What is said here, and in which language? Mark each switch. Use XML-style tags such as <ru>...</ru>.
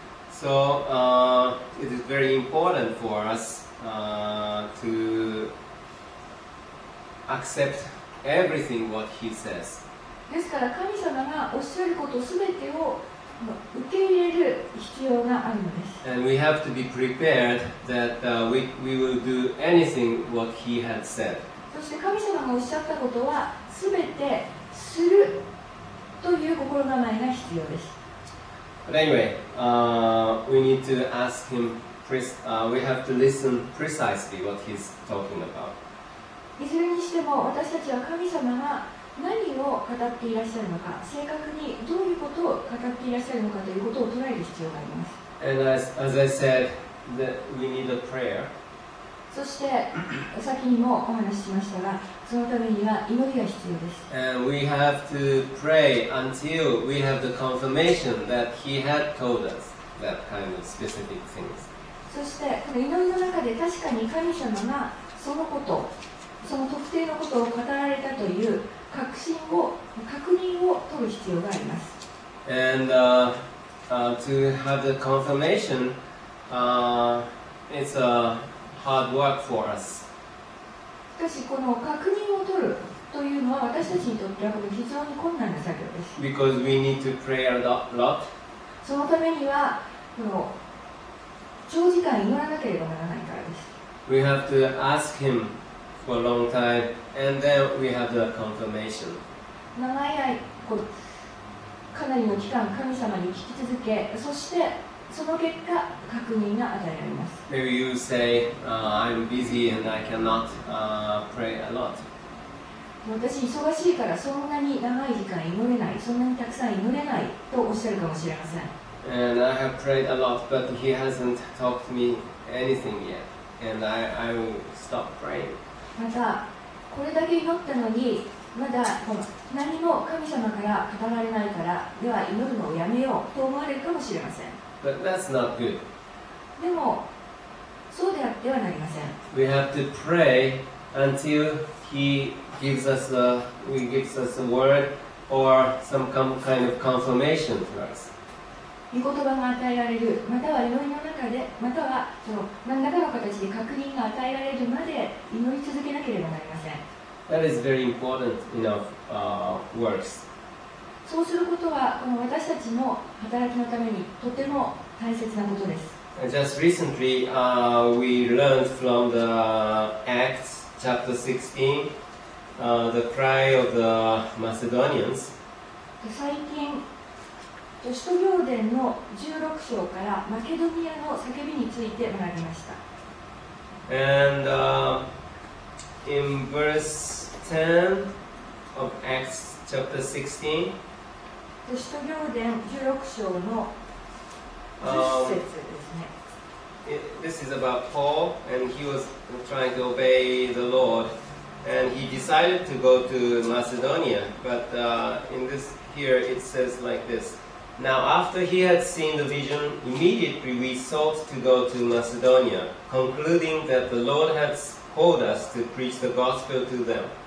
<en>So, it is very important for us, to accept everything what he says.</en> <ja>ですから神様がおっしゃることすべてを受け入れる必要があるのです。</ja> <en>And we have to be prepared that we will do anything what he had said.</en> <ja>そして神様がおっしゃったことはすべてするという心構えが必要です。</ja> <en>But anyway, we need to ask him, we have to listen precisely what he's talking about.</en> <ja>いずれにしても私たちは神様が何を語っていらっしゃるのか、正確にどういうことを語っていらっしゃるのかということを捉える必要があります。</ja> <en>And as I said, that we need a prayer.</en> <ja>そして、先にもお話ししましたが、そのためには祈りが必要です。</ja> <en>And we have to pray until we have the confirmation that he had told us that kind of specific things.</en> <ja>そして、この祈りの中で確かに神様がそのこと、その特定のことを語られたという確信を、確認を取る必要があります。</ja> <en>And to have the confirmation, it's a hard work for us.</en> <ja>しかし、この確認を取るというのは私たちにとっては非常に困難な作業です。</ja> <en>Because we need to pray a lot.</en> <ja>そのためには、この長時間祈らなければならないからです。</ja> <en>We have to ask him. For a long time, and then we have the confirmation.</en> <ja>長い間、かなりの期間、神様に聞き続け、そしてその結果、確認が与えられます。</ja> <en>Maybe you say, I'm busy and I cannot pray a lot.</en> <ja>私、忙しいからそんなに長い時間祈れない、そんなにたくさん祈れないとおっしゃるかもしれません。</ja> <en>And I have prayed a lot, but he hasn't talked to me anything yet, and I will stop praying.</en> <ja>またこれだけ祈ったのにまだこの何も神様から語られないからでは祈るのをやめようと思われるかもしれません。</ja> <en>But that's not good.</en> <ja>でもそうであってはなりません。</ja> <en>We have to pray until he gives us a, he gives us a word or some kind of confirmation for us.</en> <ja>御言葉が与えられる、または祈りの中で、またはその何らかの形で確認が与えられるまで祈り続けなければなりません。</ja> <en>That is very important in our, works.</en> <ja>そうすることはこの私たちの働きのためにとても大切なことです。</ja> <en>Just recently, we learned from the Acts chapter 16, the cry of the Macedonians.</en> <ja>最近使徒行伝の16章からマケドニアの叫びについて学びました。</ja> <en>And in verse 10 of Acts chapter 16,</en> <ja>使徒行伝16章の10節ですね。</ja> <en>This is about Paul, and he was trying to obey the Lord, and he decided to go to Macedonia. But in this here, it says like this. Now, after he had seen the vision, immediately we sought to go to Macedonia, concluding that the Lord had called us to preach the gospel to them.</en>